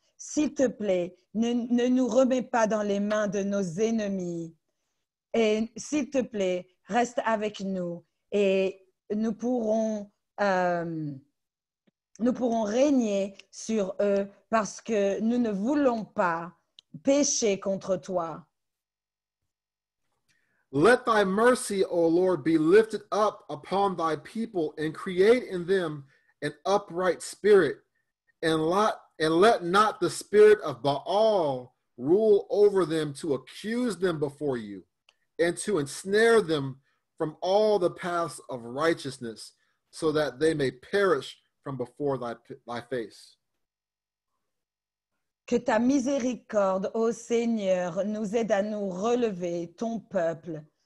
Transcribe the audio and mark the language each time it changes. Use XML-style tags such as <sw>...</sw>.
<fr>S'il te plaît, ne nous remets pas dans les mains de nos ennemis. Et s'il te plaît, reste avec nous et nous pourrons régner sur eux parce que nous ne voulons pas pécher contre toi.</fr> <en>Let thy mercy, O Lord, be lifted up upon thy people and create in them an upright spirit and let not the spirit of Baal rule over them to accuse them before you and to ensnare them from all the paths of righteousness so that they may perish from before thy face.</en> <fr>Que ta miséricorde, ô Seigneur, nous aide à nous relever, ton peuple.</fr>